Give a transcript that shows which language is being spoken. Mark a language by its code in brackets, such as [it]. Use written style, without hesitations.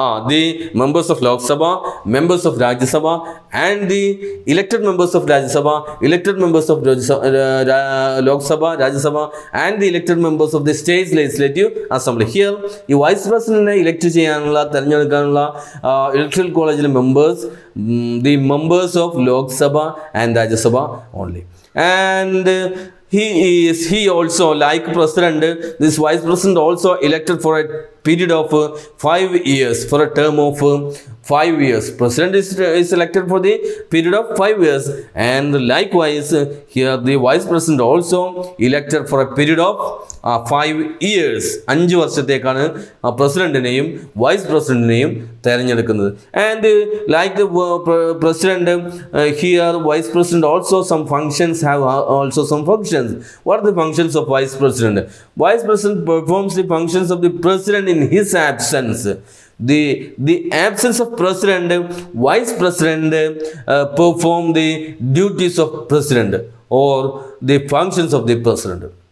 [en] The members of Lok Sabha, members of Rajya Sabha and the elected members of Rajya Sabha, elected members of Lok Sabha, Rajya Sabha and the elected members of the state legislative assembly. Here [ml] ഈ vice പ്രസിഡന്റിനെ elect ചെയ്യാനുള്ള, തിരഞ്ഞെടുക്കാനുള്ള electoral കോളേജിലെ members [en] The members of Lok Sabha and Rajya Sabha only. And He also, like president, this vice president also elected for a period of 5 years, for a term of 5 years. President is elected for the period of 5 years. And likewise, here the vice president also elected for a period of 5 years. [ml] 5 വർഷത്തേക്കാണ് പ്രസിഡന്റിനെയും vice പ്രസിഡന്റിനെയും തെരഞ്ഞെടുക്കുന്നത്. [en] And like the president here vice president also some functions have also some functions. What are the functions of vice president? Vice president performs the functions of the president in his absence. The absence of president vice president perform the duties of president or the functions of the president.